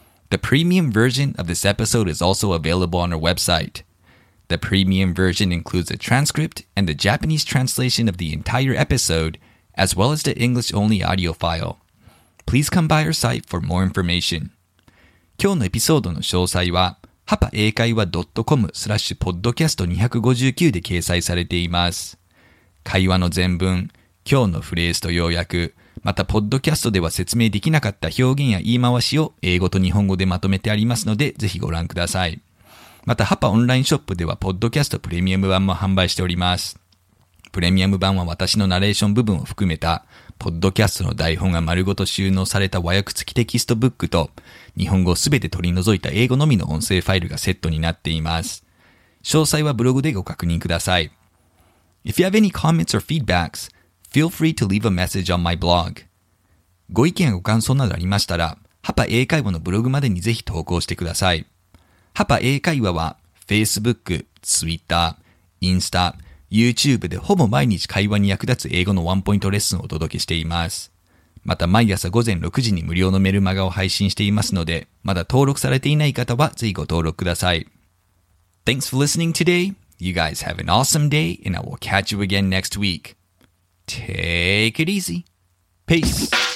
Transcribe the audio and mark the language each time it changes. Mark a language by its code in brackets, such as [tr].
[en] The premium version of this episode is also available on our website. The premium version includes a transcript and the Japanese translation of the entire episode, as well as the English-only audio file. Please come by our site for more information. [ja] 今日のエピソードの詳細は、hapaekaiwa.com/podcast259 で掲載されています。会話の全文、今日のフレーズと要約、またポッドキャストでは説明できなかった表現や言い回しを英語と日本語でまとめてありますので、ぜひご覧ください。またハパオンラインショップではポッドキャストプレミアム版も販売しております。プレミアム版は私のナレーション部分を含めたポッドキャストの台本が丸ごと収納された和訳付きテキストブックと日本語をすべて取り除いた英語のみの音声ファイルがセットになっています。詳細はブログでご確認ください。 [en] If you have any comments or feedbacks, feel free to leave a message on my blog. [ja] ご意見やご感想などありましたら、ハパ英会話のブログまでにぜひ投稿してください。ハパ英会話は Facebook、Twitter、Insta、YouTube でほぼ毎日会話に役立つ英語のワンポイントレッスンをお届けしています。また毎朝午前6時に無料のメルマガを配信していますので、まだ登録されていない方はぜひご登録ください。 [en] Thanks for listening today. You guys have an awesome day and I will catch you again next week. Take it easy. Peace.